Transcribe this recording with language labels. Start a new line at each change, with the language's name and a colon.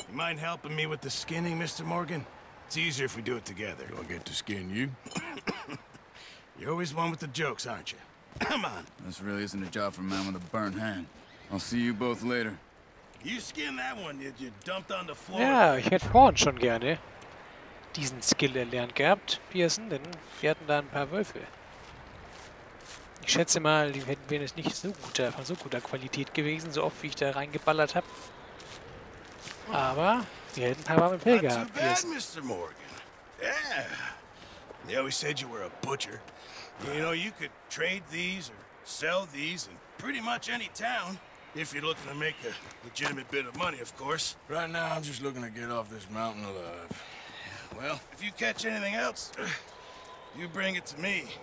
English: You mind helping me with the skinning, Mr. Morgan? It's easier if we do it together. Do I get to skin you? You're always one with the jokes, aren't you? Come on. This really isn't a job for a man with a burnt hand. I'll see you both later. You skin that one, you dumped on the floor.
German: Ja, ich hätte vorhin schon gerne diesen Skill erlernt gehabt, Pearson, denn wir hatten da ein paar Wölfe. Ich schätze mal, die hätten wir es nicht von so guter Qualität gewesen, so oft wie ich da reingeballert habe. Aber wir hätten ein paar warme Pilger gehabt, Pearson.
English: Not too bad, Mr. Morgan. Yeah. They always said you were a butcher. You know, you could trade these or sell these in pretty much any town. If you're looking to make a legitimate bit of money, of course. Right now, I'm just looking to get off this mountain alive. Well, if you catch anything else, you bring it to me.